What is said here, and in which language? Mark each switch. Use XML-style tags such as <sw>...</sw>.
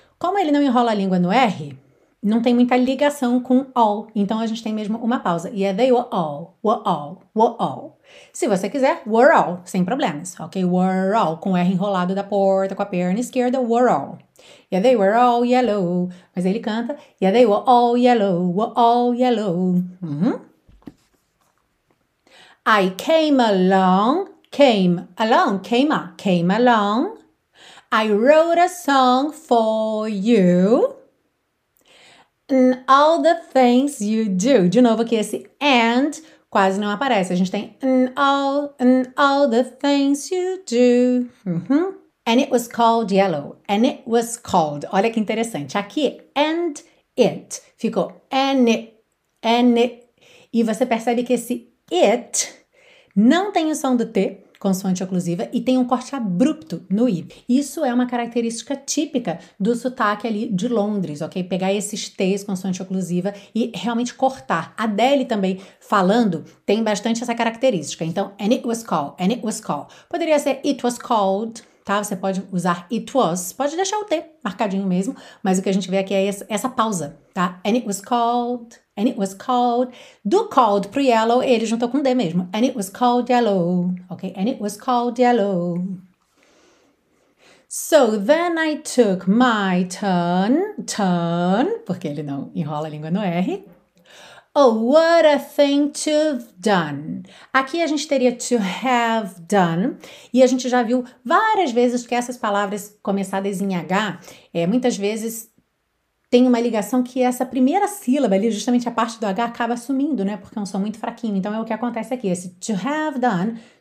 <pt>Como ele não enrola a língua no R, não tem muita ligação com all. Então, a gente tem mesmo uma pausa.</pt> <en>Yeah, they were all.</en> <pt>Se você quiser, were all, sem problemas. Ok? Were all, com o R enrolado da porta, com a perna esquerda, were all.</pt> <en>Yeah, they were all yellow.</en> <pt>Mas ele canta.</pt> <en>Yeah, they were all yellow. I came along. Came along, came along. I wrote a song for you. And all the things you do.</en> <pt>De novo aqui esse and quase não aparece. A gente tem</pt> <en>and all the things you do. And it was called yellow. And it was called.</en> <pt>Olha que interessante. Aqui,</pt> <en>and it.</en> <pt>Ficou</pt> <en>and it.</en> <pt>E você percebe que esse it não tem o som do T, consoante oclusiva, e tem um corte abrupto no I. Isso é uma característica típica do sotaque ali de Londres, ok? Pegar esses T's, consoante oclusiva, e realmente cortar. A Deli também, falando, tem bastante essa característica. Então,</pt> <en>and it was called.</en> <pt>Poderia ser</pt> <en>it was called,</en> <pt>tá? Você pode usar it was, pode deixar o T marcadinho mesmo, mas o que a gente vê aqui é essa pausa, tá?</pt> <en>And it was called.</en> <pt>Do called pro yellow, ele juntou com D mesmo.</pt> <en>And it was called yellow. Ok? And it was called yellow. So then I took my turn,</en> <pt>porque ele não enrola a língua no R.</pt> <en>Oh, what a thing to have done.</en> <pt>Aqui a gente teria</pt> <en>to have done.</en> <pt>E a gente já viu várias vezes que essas palavras começadas em H, muitas vezes tem uma ligação que essa primeira sílaba ali, justamente a parte do H, acaba sumindo, né? Porque é um som muito fraquinho. Então, é o que acontece aqui. Esse</pt> <en>to have done.</en>